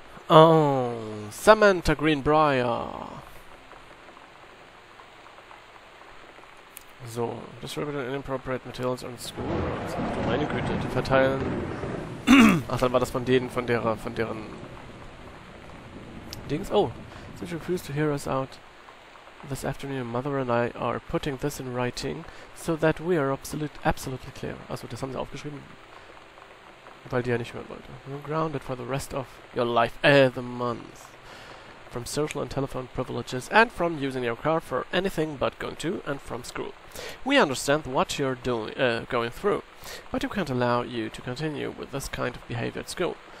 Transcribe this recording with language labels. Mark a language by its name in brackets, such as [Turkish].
[English] Oh, Samantha Greenbrier. So, distributed inappropriate materials on school grounds. [German] Oh, meine Güte, die verteilen. Ach, dann war das von denen, von deren Dings. [English] Oh, since you refuse to hear us out this afternoon, mother and I are putting this in writing, so that we are absolutely clear. [German] Also, das haben sie aufgeschrieben, weil die ja nicht hören wollte. [English] You're grounded for the rest of your life, the month, from social and telephone privileges, and from using your car for anything but going to and from school. We understand what you're doing, going through. But you can't allow you to continue with this kind of behavior at school.